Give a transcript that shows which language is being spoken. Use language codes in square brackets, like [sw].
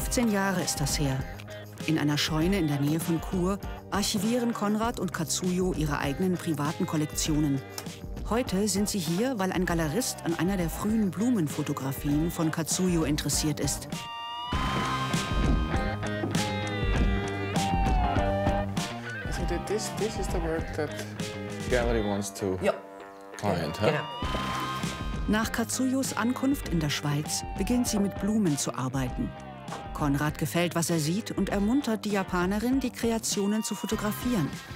[de] Jahre ist das her. In einer Scheune in der Nähe von Chur archivieren Konrad und Katsuyo ihre eigenen privaten Kollektionen. Heute sind sie hier, weil ein Galerist an einer der frühen Blumenfotografien von Katsuyo interessiert ist. [en] So this is the work that gallery wants to client, huh? [de] Nach Katsuyos Ankunft in der Schweiz beginnt sie mit Blumen zu arbeiten. Konrad gefällt, was er sieht, und ermuntert die Japanerin, die Kreationen zu fotografieren.